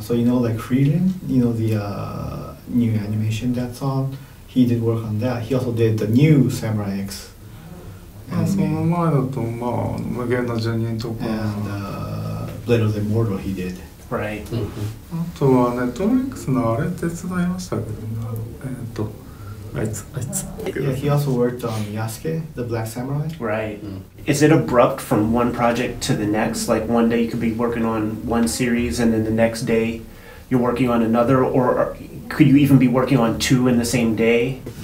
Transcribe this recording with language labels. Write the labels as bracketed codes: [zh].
[en] So you know like Freeland, you know the new animation that's on. He did work on that. He also did the new Samurai X. [ja] その前だとまあ無限のジャニーとか。 [en] And Blade of the Immortal he did. Right. [ja] あとはネットフリックスのあれ手伝いましたけど、 [en] Yeah, he also worked on Yasuke, the Black Samurai. Right. Is it abrupt from one project to the next? Like one day you could be working on one series and then the next day you're working on another? Or could you even be working on two in the same day?